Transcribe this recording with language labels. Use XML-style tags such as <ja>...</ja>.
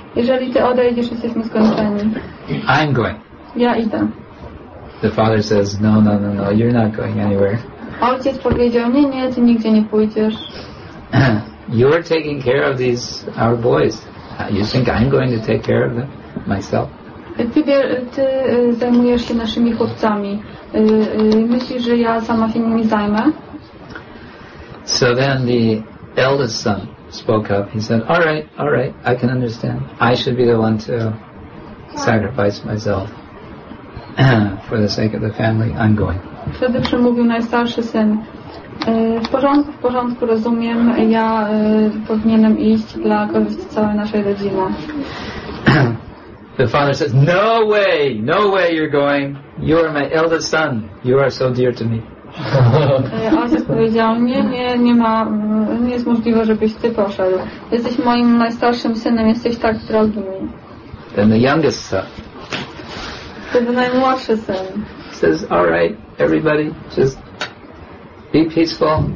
<pl>Jeżeli ty odejdziesz, jesteśmy skończeni.</pl> <en>I'm going.</en> <pl>Ja idę.</pl> <en>The father says, no, you're not going anywhere.</en> <pl>Ojciec powiedział, nie, ty nigdzie nie pójdziesz.</pl> <en>You're taking care of these, our boys. You think I'm going to take care of them myself?</en> <pl>Ty zajmujesz się naszymi chłopcami. Myślisz, że ja sama się nimi zajmę?</pl> <en>So then the eldest son spoke up. He said, all right, I can understand. I should be the one to sacrifice myself for the sake of the family. I'm going.</en> <pl>Wtedy przemówił najstarszy syn. W porządku, rozumiem. Ja powinienem iść dla korzyści całej naszej rodziny.</pl> <en>The father says, no way you're going. You are my eldest son. You are so dear to me.</en> <pl>Ojciec powiedział, nie jest możliwe, żebyś ty poszedł. Jesteś moim najstarszym synem, jesteś tak drogi mi.</pl> <en>Then the youngest son.</en> <pl>Wtedy najmłodszy syn.</pl> <en>Says, all right, everybody, just be peaceful.</en>